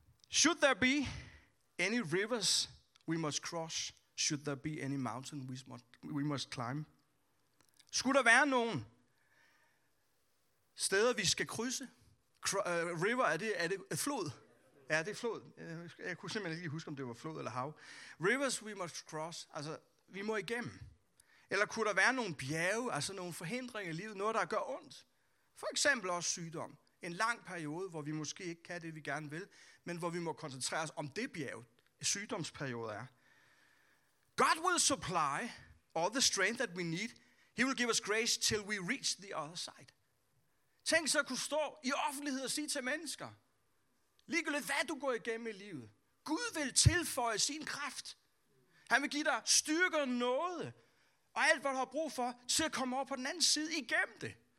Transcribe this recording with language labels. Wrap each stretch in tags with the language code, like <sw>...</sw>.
<en>Should there be any rivers we must cross? Should there be any mountain we must climb?</en> <da>Skulle der være nogen steder, vi skal krydse? River, er det flod? Ja, det er flod. Jeg kunne simpelthen ikke huske, om det var flod eller hav. Rivers we must cross, altså vi må igennem. Eller kunne der være nogle bjerge, altså nogle forhindringer i livet, noget, der gør ondt? For eksempel også sygdom. En lang periode, hvor vi måske ikke kan det, vi gerne vil, men hvor vi må koncentrere os om det bjerge, sygdomsperiode er.</da> <en>God will supply all the strength that we need. He will give us grace till we reach the other side.</en> <da>Tænk så at kunne stå i offentlighed og sige til mennesker, ligegyldigt hvad du går igennem i livet, Gud vil tilføje sin kraft. Han vil give dig styrke og noget, og alt hvad du har brug for, til at komme over på den anden side igennem det.</da>